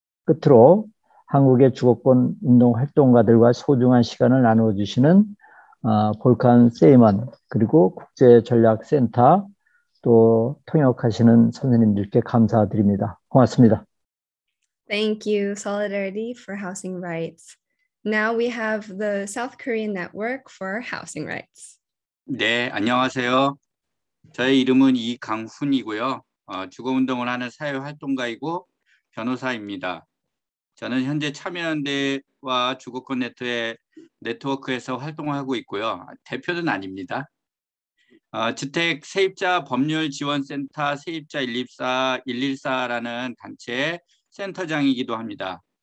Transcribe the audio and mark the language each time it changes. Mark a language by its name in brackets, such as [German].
[Korean] 끝으로 한국의 주거권 운동 활동가들과 소중한 시간을 나누어 주시는 볼칸 세이먼 그리고 국제전략센터 또 통역하시는 선생님들께 감사드립니다. 고맙습니다. [English] Thank you, Solidarity for Housing Rights. Now we have the South Korean Network for Housing Rights. [Korean] 네, 안녕하세요. 저의 이름은 이강훈이고요. 주거운동을 하는 사회활동가이고 변호사입니다. 저는 현재 참여연대와 주거권 네트워크에서 활동하고 있고요. 대표는 아닙니다. 주택 세입자 법률 지원센터 세입자 114라는 단체의 센터장이기도 합니다.